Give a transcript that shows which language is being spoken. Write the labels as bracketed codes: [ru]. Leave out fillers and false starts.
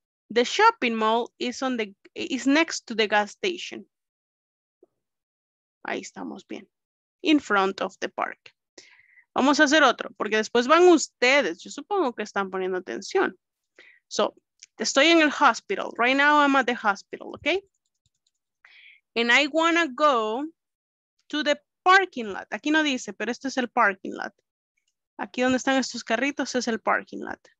[en] The shopping mall is next to the gas station. [es] Ahí estamos bien. [en] In front of the park. [es] Vamos a hacer otro, porque después van ustedes. Yo supongo que están poniendo atención. So, estoy en el hospital. [en] Right now I'm at the hospital, okay? And I wanna go to the parking lot. [es] Aquí no dice, pero este es el parking lot. Aquí donde están estos carritos es el parking lot.